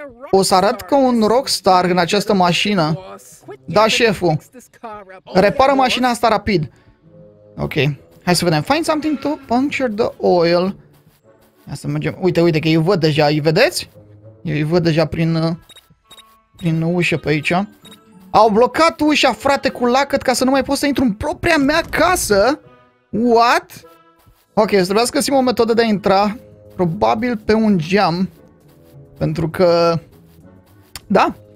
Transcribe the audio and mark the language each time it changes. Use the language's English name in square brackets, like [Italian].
[Romanian] O să arăt ca un rockstar în această mașină. Da, șeful. Repară mașina asta rapid. Ok, hai să vedem. [English] Find something to puncture the oil. [Romanian] Ia să mergem. Uite că eu văd deja, îi vedeți? Eu îi văd deja prin ușă pe aici. Au blocat ușa, frate, cu lacăt ca să nu mai pot să intru în propria mea casă. What? Ok, o să trebuia să găsim o metodă de a intra. Probabil pe un geam. Pentru că... Da.